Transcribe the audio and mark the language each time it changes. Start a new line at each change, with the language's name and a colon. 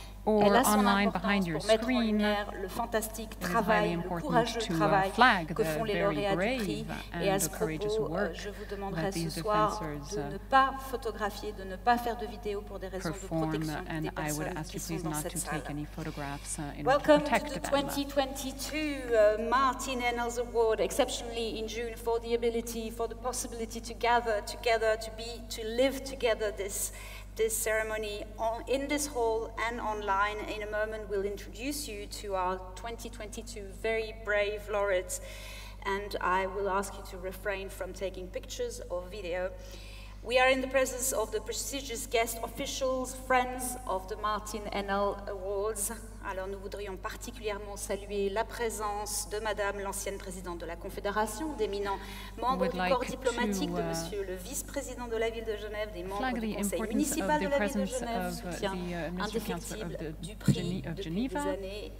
French: Elle a son importance pour mettre en lumière le fantastique travail, le courageux travail que font les lauréats du prix. Et à ce propos, je vous demanderai ce soir de ne pas photographier, de ne pas faire de vidéo pour des raisons de protection des personnes qui sont dans cette salle.
English: Welcome to the 2022 Martin Ennals Award, exceptionally in June, for the ability, for the possibility to gather together, to live together this ceremony in this hall and online. In a moment, we'll introduce you to our 2022 very brave laureates, and I will ask you to refrain from taking pictures or video. We are in the presence of the prestigious guest officials, friends of the Martin Ennals Awards.
French: Alors, nous voudrions particulièrement saluer la présence de Madame l'ancienne présidente de la Confédération, d'éminents membres du corps diplomatique, de Monsieur le vice-président de la ville de Genève, des membres du conseil municipal de la ville de Genève, soutien indéfectible du prix depuis des années.